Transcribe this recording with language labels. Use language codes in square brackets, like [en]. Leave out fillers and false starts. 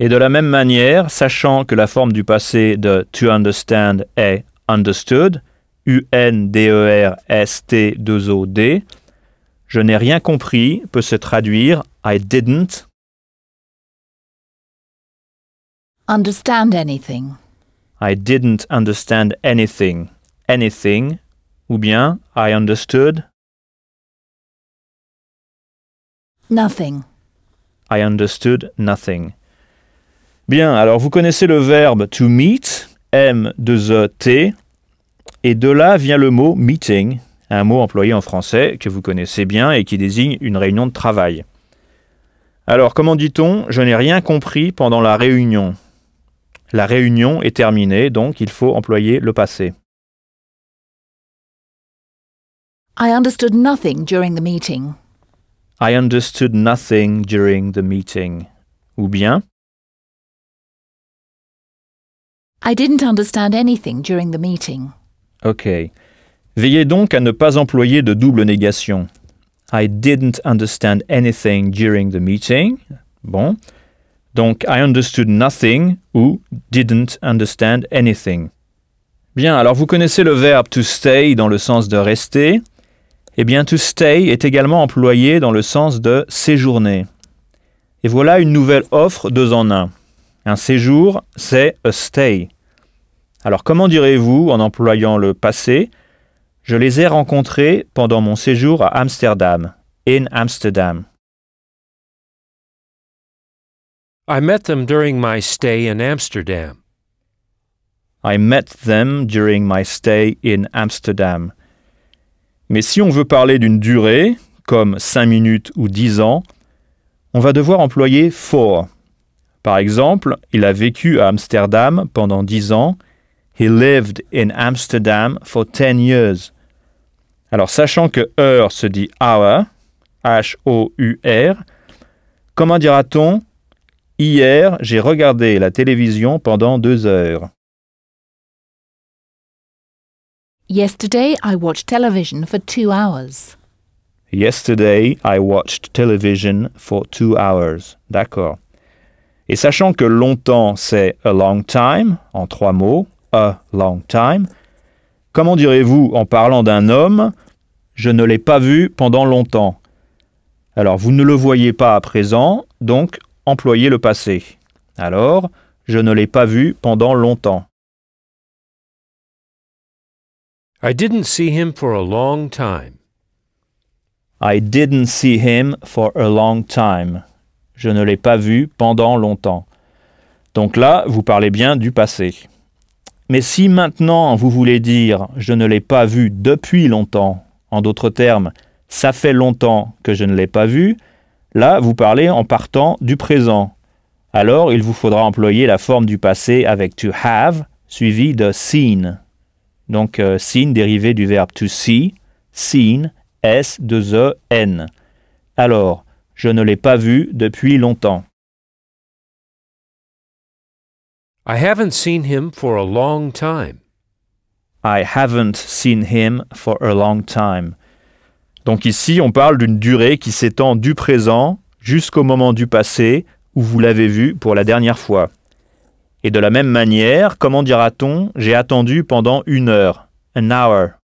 [fr] Et de la même manière, sachant que la forme du passé de « to understand » est « understood », « U-N-D-E-R-S-T-2-O-D », « je n'ai rien compris » peut se traduire « [en] I didn't » Understand anything. I didn't understand anything. Anything. [fr] Ou bien, [en] I understood. Nothing. I understood nothing. [fr] Bien, alors vous connaissez le verbe to meet, M-E-T, et de là vient le mot meeting, un mot employé en français que vous connaissez bien et qui désigne une réunion de travail. Alors, comment dit-on « je n'ai rien compris pendant la réunion » ? La réunion est terminée, donc il faut employer le passé. [en] I understood nothing during the meeting. I understood nothing during the meeting. [fr] Ou bien? [en] I didn't understand anything during the meeting. OK. [fr] Veillez donc à ne pas employer de double négation. [en] I didn't understand anything during the meeting. [fr] Bon. Donc, « [en] I understood nothing [fr] » ou « [en] didn't understand anything ». [fr] Bien, alors vous connaissez le verbe « to stay » dans le sens de « rester ». Eh bien, « to stay » est également employé dans le sens de « séjourner ». Et voilà une nouvelle offre deux en un. Un séjour, c'est « a stay ». Alors, comment direz-vous en employant le passé ? « Je les ai rencontrés pendant mon séjour à Amsterdam »,« [en] in Amsterdam ». I met them during my stay in Amsterdam. I met them during my stay in Amsterdam. [fr] Mais si on veut parler d'une durée, comme 5 minutes ou 10 ans, on va devoir employer for. Par exemple, il a vécu à Amsterdam pendant 10 ans. [en] He lived in Amsterdam for 10 years. [fr] Alors, sachant que heure se dit hour, H-O-U-R, comment dira-t-on? Hier, j'ai regardé la télévision pendant 2 heures. [en] Yesterday, I watched television for 2 hours. Yesterday, I watched television for 2 hours. [fr] D'accord. Et sachant que longtemps, c'est a long time, en 3 mots, a long time, comment direz-vous en parlant d'un homme, je ne l'ai pas vu pendant longtemps? Alors, vous ne le voyez pas à présent, donc employer le passé. Alors, je ne l'ai pas vu pendant longtemps. [en] I didn't see him for a long time. I didn't see him for a long time. [fr] Je ne l'ai pas vu pendant longtemps. Donc là, vous parlez bien du passé. Mais si maintenant vous voulez dire je ne l'ai pas vu depuis longtemps, en d'autres termes, ça fait longtemps que je ne l'ai pas vu, là, vous parlez en partant du présent. Alors, il vous faudra employer la forme du passé avec « to have » suivi de « seen ». Donc, « seen » dérivé du verbe « to see »,« seen »,« S-2-E-N. Alors, je ne l'ai pas vu depuis longtemps. [en] I haven't seen him for a long time. I haven't seen him for a long time. [fr] Donc ici, on parle d'une durée qui s'étend du présent jusqu'au moment du passé où vous l'avez vu pour la dernière fois. Et de la même manière, comment dira-t-on « j'ai attendu pendant une heure » [en] an hour.